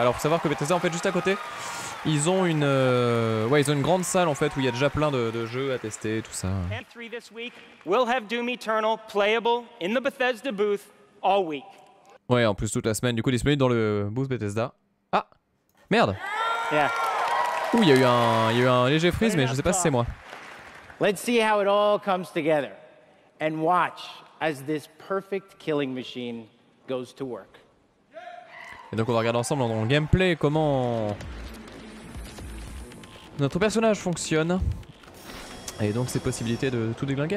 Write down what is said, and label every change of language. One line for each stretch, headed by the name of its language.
French: Alors, faut savoir que Bethesda, en fait, juste à côté, ils ont une... Ouais, ils ont une grande salle, en fait, où il y a déjà plein de jeux à tester, tout ça.
English: We'll have Doom Eternal playable in the Bethesda booth all week.
French: Ouais, en plus toute la semaine, du coup disponible dans le booth Bethesda. Ah, merde.
English: Yeah.
French: Ouh, il y a eu un léger freeze, mais je sais pas si c'est moi.
English: Let's see how it all comes together and watch as this perfect killing machine goes to work.
French: Et donc on va regarder ensemble dans le gameplay comment notre personnage fonctionne et donc ses possibilités de tout déglinguer.